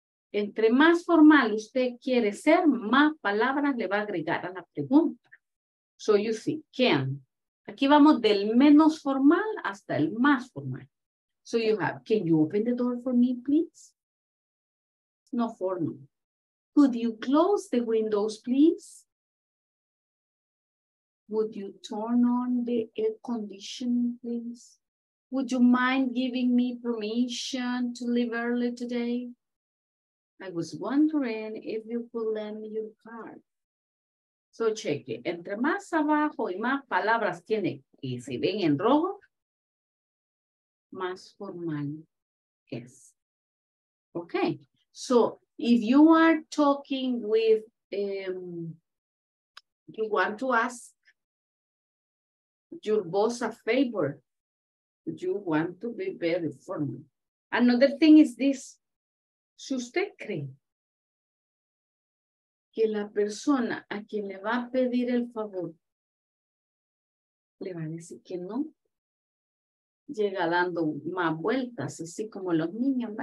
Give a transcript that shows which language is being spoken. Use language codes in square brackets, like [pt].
[es] Entre más formal usted quiere ser, más palabras le va a agregar a la pregunta. [en] So you see, can. [es] Aquí vamos del menos formal hasta el más formal. [en] So you have, can you open the door for me, please? No formal. Could you close the windows, please? Would you turn on the air conditioning, please? Would you mind giving me permission to leave early today? I was wondering if you could lend me your car. So check it. [es] Entre más abajo y más palabras tiene, y si ven en rojo, más formal es. [en] Okay. So if you are talking with, you want to ask your boss a favor, you want to be very formal. Another thing is this. [es] Si usted cree que la persona a quien le va a pedir el favor le va a decir que no, llega dando más vueltas, así como los niños.